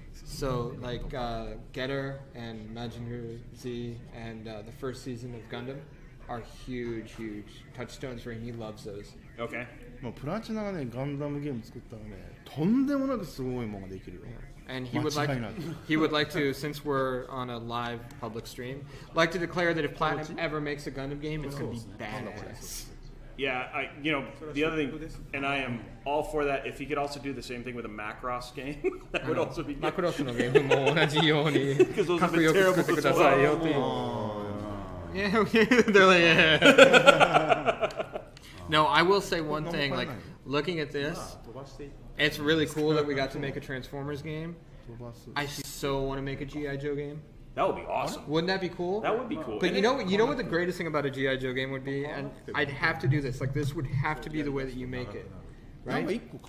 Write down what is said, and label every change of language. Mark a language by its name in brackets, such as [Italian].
[English] So like Getter and Mazinger Z and the first season of Gundam are huge, huge touchstones for him. He loves those. Okay. [Japanese] まあ、プラチナがね、ガンダムゲーム作ったらね、とんでもなくすごいものができるよ。 [English] And he would like, he would like to, since we're on a live public stream, like to declare that if Platinum ever makes a Gundam game, it's gonna be badass. Yeah, I, you know, the other thing, and I am all for that, if he could also do the same thing with a Macross game, that would also be good. [Japanese] Macross のゲームも同じように、かっこよく作ってくださいよっていう。 [English] Yeah, they're like, yeah. No, I will say one thing, like, looking at this, it's really cool that we got to make a Transformers game. I so want to make a G.I. Joe game. That would be awesome. Wouldn't that be cool? That would be cool. But you know what the greatest thing about a G.I. Joe game would be? And I'd have to do this, like, this would have to be the way that you make it, right?